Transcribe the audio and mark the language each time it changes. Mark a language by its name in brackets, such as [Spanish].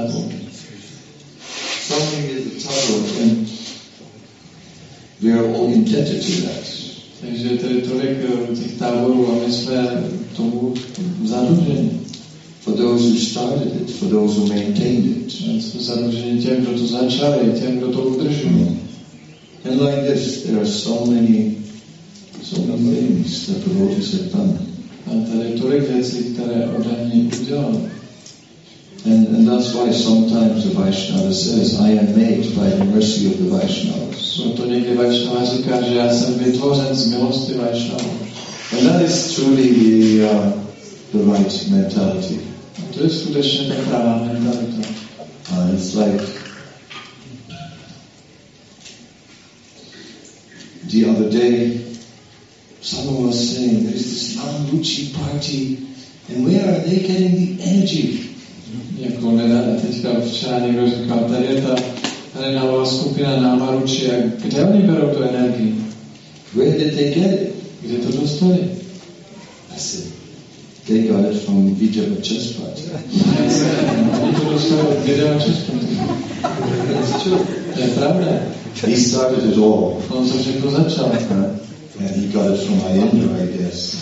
[English] Something is a tabor, and we are all indebted to that. [Czech] Takže to je tolik těch táborů a my jsme tomu zadlužení. [English] For those who started it, for those who maintained it. [Czech] A jsme zadlužení těm, kdo to začali, těm, kdo to udržují. [English] And like this, there are so many things that the devotees have done. [Czech] A tady je tolik věcí, které oddaní udělal. [English] And that's why sometimes the Vaishnava says, I am made by the mercy of the Vaishnavas. [Czech] No to někdy Vaishnava říká, že já jsem vytvořen z milosti Vaishnava. [English] And that is truly the right mentality. [Czech] To je skutečně ta pravá mentalita. [English] It's like the other day, someone was saying, there is this Ambuchi party, and where are they getting the energy? [Czech] Jako nedávno teďka včera někdo říkal, tady je ta renavová skupina na Amaruči, a kde oni berou tu energii? [English] Where did they get it? [Czech] Kde to dostali? [English] I said, they got it from Vijaya Chaspati. [Czech] Oni to dostali od Vijaya Chaspati. Je pravda. [English] He started it all. [Czech] On to všechno začal. [English] And he got it from Ayendra, I guess.